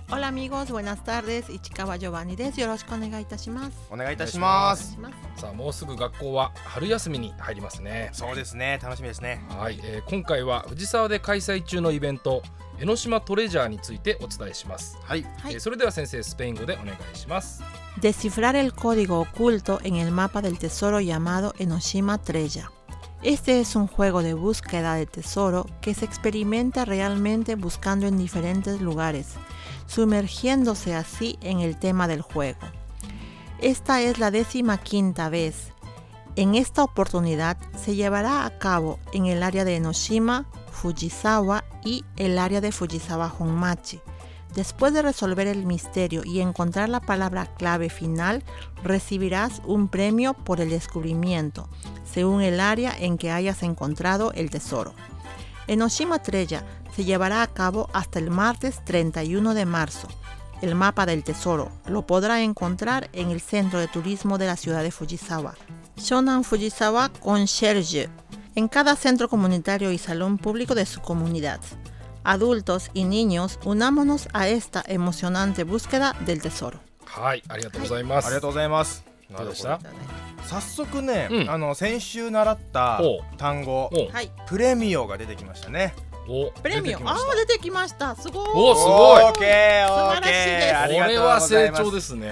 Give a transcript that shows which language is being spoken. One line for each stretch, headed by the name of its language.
Spanish: オラミゴーズ、ボナスタール
Japanese: です。市川ジョバンニです。よろしくお願いいたします。お願いいたします。さあ、もうすぐ学校は春休みに入りますね。そうですね、楽しみですね。はい、今回は藤沢で開催中のイベント江ノ島トレジャーについてお伝えします。はい、それでは先生、スペイン語でお願いします。
Spanish: Descifrar el código oculto en el mapa del tesoro llamado Enoshima Treasure. Este es un juego de búsqueda de tesoro que se experimenta realmente buscando en diferentes lugares, sumergiéndose así en el tema del juego. Esta es la 15ª vez. En esta oportunidad se llevará a cabo en el área de Enoshima, Fujisawa y el área de Fujisawa Honmachi. Después de resolver el misterio y encontrar la palabra clave final, recibirás un premio por el descubrimiento, según el área en que hayas encontrado el tesoro. Enoshima Treasure se llevará a cabo hasta el martes 31 de marzo. El mapa del tesoro lo podrá encontrar en el centro de turismo de la ciudad de Fujisawa. Shonan Fujisawa Concierge, en cada centro comunitario y salón público de su comunidad. Adultos y niños, unámonos a esta emocionante búsqueda del tesoro.
Japanese: はい、ありがとうございます。ありがとうございます。どうでした？早速ね、先週習った単語、プレミオが出てきましたね。お、プレミオ、あ、出てきました。すごい。お、すごい。オッケー、オッケー。ありがとうございます。これは成長ですね。